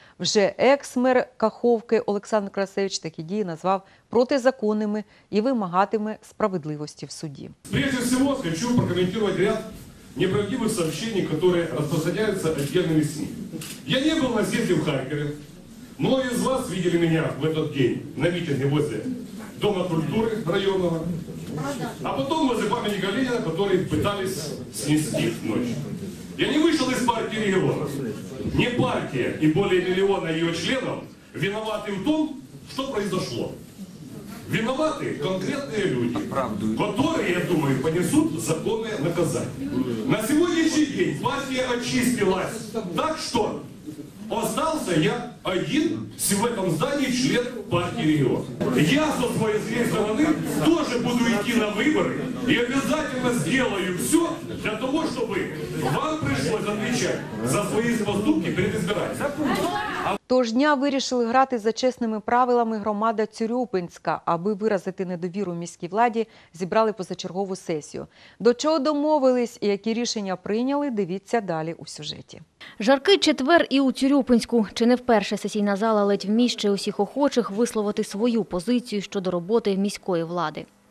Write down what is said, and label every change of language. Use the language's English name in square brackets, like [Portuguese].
[Ukrainian] Вже екс-мер Каховки Олександр Карасевич такі дії назвав протизаконними і вимагатиме справедливості в суді. [Russian] Прежде всего, хочу прокоментировать ряд [Ukrainian] неправдивих [Russian] сообщений, [Ukrainian] які розповсюджуються офіційними СМІ. Я не був на сесії в Харкові. [Russian] Многие из вас видели меня в этот день на митинге возле Дома культуры районного, а потом возле памятника Ленина, которые пытались снести в ночь. Я не вышел из партии региона. Не партия и более миллиона ее членов виноваты в том, что произошло. Виноваты конкретные люди, которые, я думаю, понесут законное наказание. На сегодняшний день партия очистилась так, что остался я один в этом здании член партии региона. Я со своей стороны тоже буду идти на выборы и обязательно сделаю все для того, чтобы вам пришлось отвечать за свои поступки перед избирателями. [Ukrainian] Того ж дня вирішили грати за чесними правилами громада Цюрюпинська. Аби виразити недовіру міській владі, зібрали позачергову сесію. До чого домовились і які рішення прийняли, дивіться далі у сюжеті. Жаркий четвер і у Цюрюпинську. Чи не вперше сесійна зала ледь вміщує усіх охочих висловити свою позицію щодо роботи міської влади.